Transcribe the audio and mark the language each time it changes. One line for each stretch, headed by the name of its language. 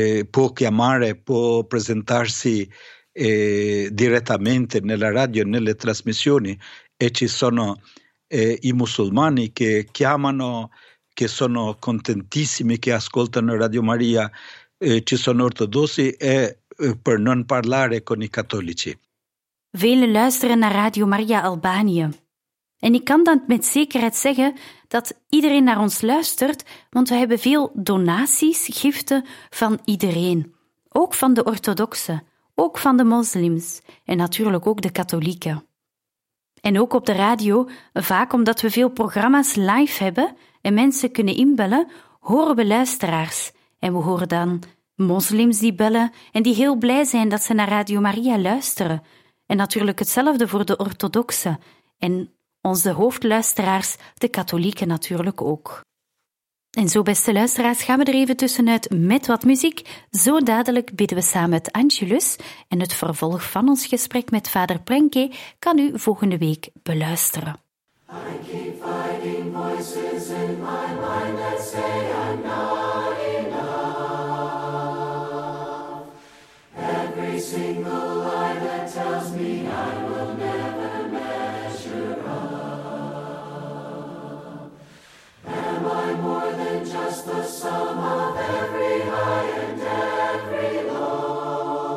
Italian: può chiamare, può presentarsi direttamente nella radio e nelle trasmissioni, e ci sono i musulmani che chiamano, che sono contentissimi, che ascoltano Radio Maria, ci sono ortodossi, per non parlare con i cattolici.
Dutch: Vele luisteren naar Radio Maria Albanië. En ik kan dan met zekerheid zeggen dat iedereen naar ons luistert, want we hebben veel donaties, giften van iedereen. Ook van de orthodoxen, ook van de moslims en natuurlijk ook de katholieken. En ook op de radio, vaak omdat we veel programma's live hebben en mensen kunnen inbellen, horen we luisteraars. En we horen dan moslims die bellen en die heel blij zijn dat ze naar Radio Maria luisteren. En natuurlijk hetzelfde voor de orthodoxen en onze hoofdluisteraars, de katholieken natuurlijk ook. En zo, beste luisteraars, gaan we er even tussenuit met wat muziek. Zo dadelijk bidden we samen het Angelus. En het vervolg van ons gesprek met vader Prenke kan u volgende week beluisteren.
English: I keep fighting voices in my mind that say I'm not enough. Every single lie that tells me I will never more than just the sum of every high and every low.